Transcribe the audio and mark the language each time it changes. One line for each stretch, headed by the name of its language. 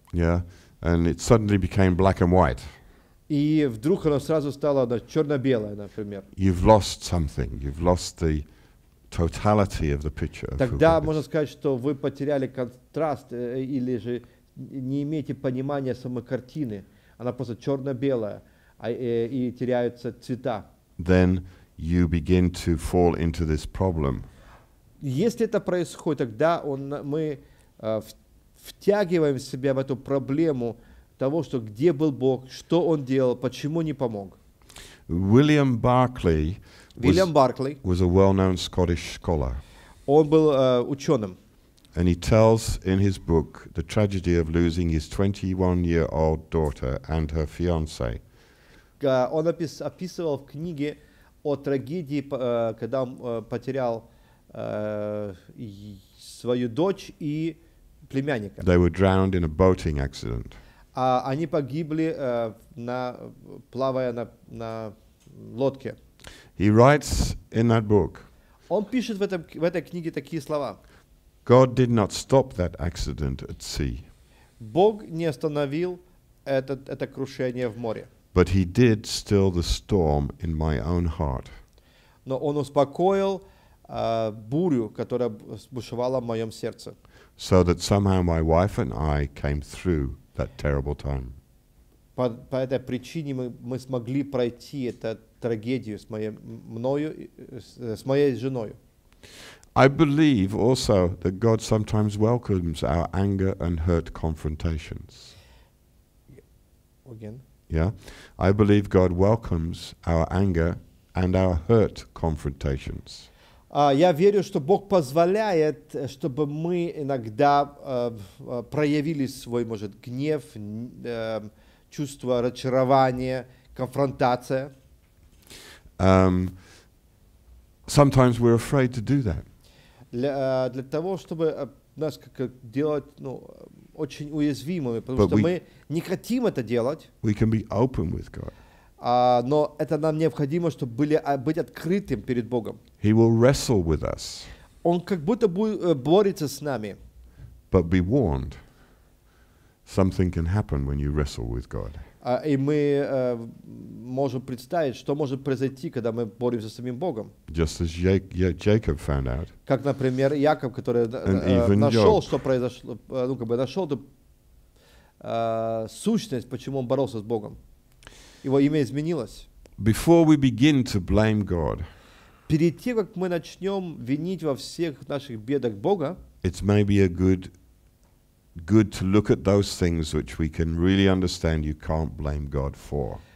English: Yeah, and it suddenly became black and white.
Russian: И вдруг оно сразу стало, да, черно-белое, например.
English: You've lost something. You've lost the totality of the picture.
Russian: Тогда можно сказать, что вы потеряли контраст или же не имеете понимания самой картины. Она просто черно-белая, и теряются цвета.
English: Then you begin to fall into this problem.
Russian: Если это происходит, тогда мы втягиваем себя в эту проблему того, что где был Бог, что он делал, почему не помог.
English: William Barclay William Barclay was a well-known Scottish scholar.
Russian: Он был ученым.
English: And he tells in his book the tragedy of losing his 21-year-old daughter and her fiancé.
Russian: Он описывал в книге о трагедии, когда он потерял свою дочь и племянника.
English: They were drowned in a boating accident.
Russian: Они погибли, плавая на лодке.
English: He writes in that book.
Russian: Он пишет в этой книге такие слова.
English: God did not stop that accident at sea.
Russian: Бог не остановил это крушение в море.
English: But he did still the storm in my own heart.
Russian: Но он успокоил бурю, которая бушевала в моем сердце.
English: So that somehow my wife and I came through that terrible time.
Russian: По этой причине мы смогли пройти эту трагедию с моей женой.
English: I believe also that God sometimes welcomes our anger and hurt confrontations. Again? Yeah. I believe God welcomes our anger and our hurt confrontations.
Russian: Я верю, что Бог позволяет, чтобы мы иногда проявили свой, может, гнев, чувство разочарования, конфронтация.
English: Sometimes we're afraid to do that.
Russian: Для того, чтобы нас делать очень уязвимыми, потому что мы не хотим это делать.
English: We can be open with God.
Russian: Но это нам необходимо, чтобы быть открытым перед Богом.
English: He will wrestle with us.
Russian: Он как будто борется с нами.
English: But be warned. Something can happen when you wrestle with God.
Russian: И мы можем представить, что может произойти, когда мы боремся с самим Богом. Just as Jacob found out. Как, например, Яков, который нашел, что произошло, нашел эту сущность, почему он боролся с Богом. Его имя изменилось.
English: Before we begin to blame God,
Russian: перед тем, как мы начнем винить во всех наших бедах Бога,
English: it's maybe a good to look at those things which we can really understand you can't blame God for.